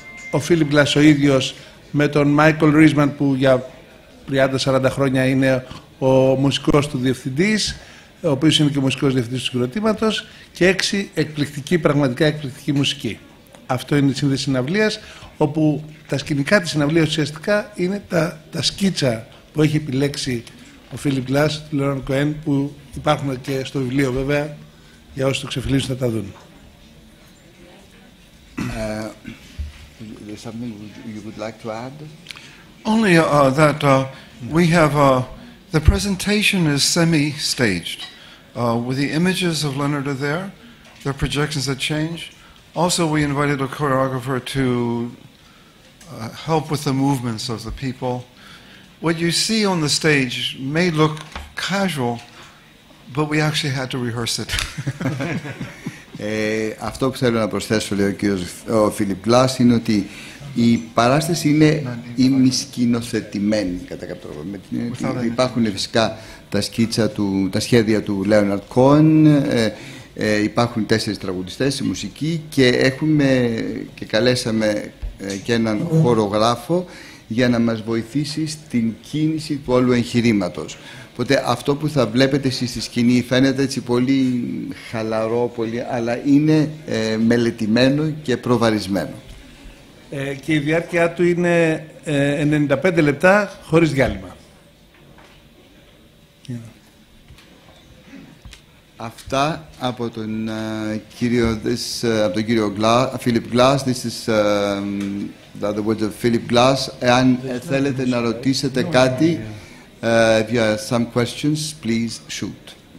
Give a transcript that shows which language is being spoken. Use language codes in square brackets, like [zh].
[el] Ο Φίλιπ Γκλάς ο ίδιος με τον Μάικλ Ρίσμαν, που για 30-40 χρόνια είναι ο μουσικός του διευθυντής, ο οποίος είναι και ο μουσικός διευθυντής του συγκροτήματος, και 6 εκπληκτική, πραγματικά εκπληκτική μουσική. Αυτό είναι η σύνδεση συναυλίας, όπου τα σκηνικά της συναυλίας ουσιαστικά είναι τα σκίτσα που έχει επιλέξει ο Φίλιπ Γκλάς, του Λέοναρντ Κόεν, που υπάρχουν και στο βιβλίο βέβαια, για όσους το ξεφυλίζουν θα τα δουν. [en] There's something you would like to add? Only that we have the presentation is semi-staged. With the images of Leonard are there, the projections that change. Also we invited a choreographer to help with the movements of the people. What you see on the stage may look casual, but we actually had to rehearse it. [el] Αυτό που θέλω να προσθέσω, λέει ο κύριος Φίλιπ Γκλας, είναι ότι η παράσταση είναι ημισκηνοθετημένη κατά κάποιο τρόπο. Υπάρχουν φυσικά τα σχέδια του Λέοναρντ Κόεν, υπάρχουν τέσσερις τραγουδιστές, η μουσική, και έχουμε και καλέσαμε και έναν χορογράφο για να μας βοηθήσει στην κίνηση του όλου εγχειρήματος. Οπότε αυτό που θα βλέπετε εσείς στη σκηνή φαίνεται έτσι πολύ χαλαρό, πολύ, αλλά είναι μελετημένο και προβαρισμένο. Και η διάρκεια του είναι 95 λεπτά χωρίς διάλειμμα. [en] Yeah. [el] Αυτά από τον κύριο, από τον κύριο Φίλιπ Γκλας. [en] This is the words of Philip Glass. [el] Εάν θέλετε να ρωτήσετε κάτι, [en] if you have some questions, please shoot.